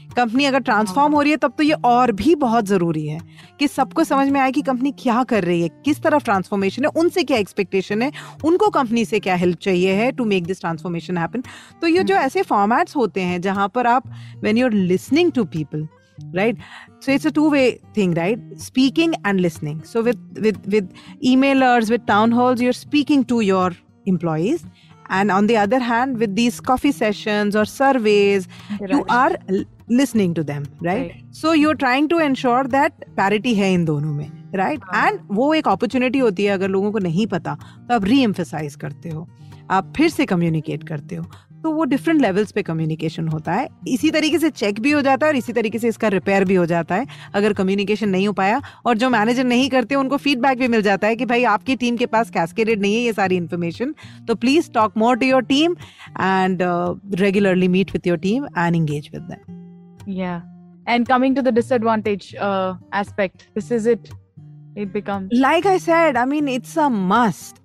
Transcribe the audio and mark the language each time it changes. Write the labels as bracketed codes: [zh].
[hi] Company अगर transform हो रही है तब तो ये और भी बहुत ज़रूरी है कि सबको समझ में आए कि कंपनी क्या कर रही है, किस तरफ ट्रांसफॉर्मेशन है, उनसे क्या एक्सपेक्टेशन है, उनको कंपनी से क्या हेल्प चाहिए है [en] To make this transformation happen. [hi] तो ये जो ऐसे फॉर्मेट्स होते हैं जहाँ पर आप [en] When you are listening to people, right? So it's a two way thing, right? Speaking and listening. So with emailers, with town halls, you are speaking to your employees. And on the other hand, with these coffee sessions or surveys, right, you are listening to them, right? So you're trying to ensure that parity [hi] hai in dono mein, [en] right? [hi] And wo ek opportunity hoti hai, agar logon ko nahi pata, to aap re-emphasize karte ho, aap phir se communicate karte ho. तो वो different levels पे communication होता है. इसी तरीके से check भी हो जाता है और इसी तरीके से इसका रिपेयर भी हो जाता है अगर कम्युनिकेशन नहीं हो पाया. और जो मैनेजर नहीं करते उनको फीडबैक भी मिल जाता है कि भाई आपकी टीम के पास कैस्केडेड नहीं है ये सारी इन्फॉर्मेशन, तो [en] Please talk more to your team and regularly meet with your team and engage with them. [hi] या [en] And coming to the disadvantage aspect, this is it. It becomes... Like I said, I mean, it's a must.